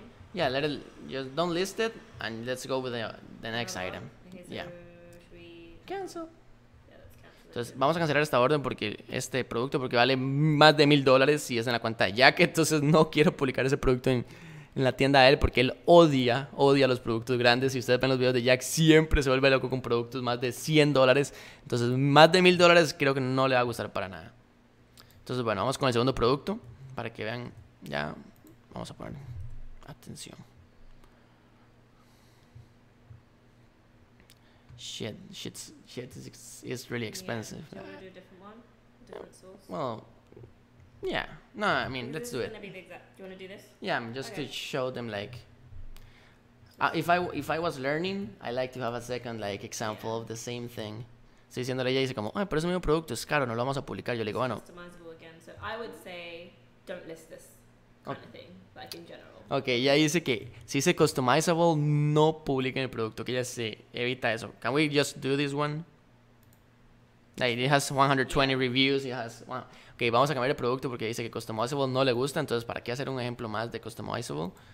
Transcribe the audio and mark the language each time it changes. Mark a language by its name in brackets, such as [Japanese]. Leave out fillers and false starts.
[English] Yeah, just don't list it, and let's go with the next item. Yeah. Cancel. [Spanish] Entonces, vamos a cancelar esta orden porque este producto, porque vale más de $1,000 y es en la cuenta de Jack. Entonces, no quiero publicar ese producto en la tienda de él porque él odia los productos grandes. Si ustedes ven los videos de Jack, siempre se vuelve loco con productos más de $100. Entonces, más de $1,000 creo que no le va a gustar para nada. Entonces, bueno, vamos con el segundo producto para que vean. Ya, vamos a poner... Atención. [English] Shit is really expensive. Yeah. Do you want to do a different one? Well, yeah. No, I mean, let's do it. Gonna be the exact. Do you want to do this? Yeah, just to show them, like... If I was learning, I like to have a second, like, example of the same thing. [Spanish] Estoy diciendo a ella, dice como, pero es el mismo producto, es caro, no lo vamos a publicar. Yo le digo, bueno... [English] Customizable again. So I would say, don't list this kind of thing. Like, in general. [Spanish] Ok, ella dice que si dice customizable, no publiquen el producto, que ella se evita eso. [English] Can we just do this one? Like, it has 120 reviews, it has... [Spanish] Ok, vamos a cambiar el producto porque dice que customizable no le gusta, entonces, ¿para qué hacer un ejemplo más de customizable?